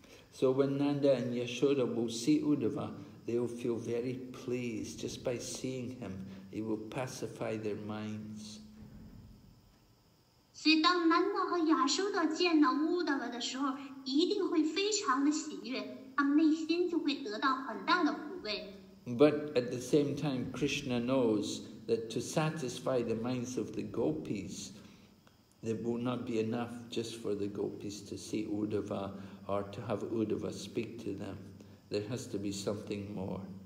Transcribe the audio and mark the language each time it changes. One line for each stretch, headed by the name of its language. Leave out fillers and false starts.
English: So when Nanda and Yashoda will see Uddhava, they will feel very pleased just by seeing him. It will pacify their minds.
Chinese: 所以当南娜和亚修多见到乌达瓦的时候，一定会非常的喜悦，他们内心就会得到很大的抚慰。
English: But at the same time, Krishna knows that to satisfy the minds of the gopis, there will not be enough just for the gopis to see Uddhava or to have Uddhava speak to them. There has to be something more.